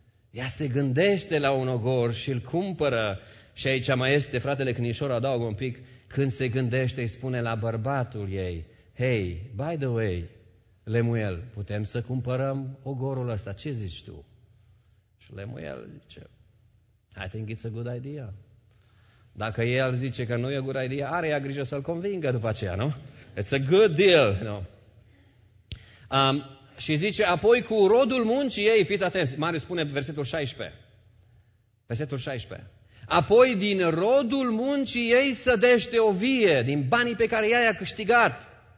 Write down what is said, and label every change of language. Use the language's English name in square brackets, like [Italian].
[Romanian] Ea se gândește la un ogor și îl cumpără. Și aici mai este, fratele Cnișor, adaugă un pic, când se gândește, îi spune la bărbatul ei, hei, [English] by the way, [Romanian] Lemuel, putem să cumpărăm ogorul ăsta, ce zici tu? Și Lemuel zice, [English] I think it's a good idea. [Romanian] Dacă el zice că nu e [English] a good idea, [Romanian] are ea grijă să-l convingă după aceea, nu? [English] It's a good deal, you know? [Romanian] Și zice, apoi cu rodul muncii ei, fiți atenți, Marius spune versetul 16. Versetul 16. Apoi din rodul muncii ei sădește o vie, din banii pe care ea i-a câștigat.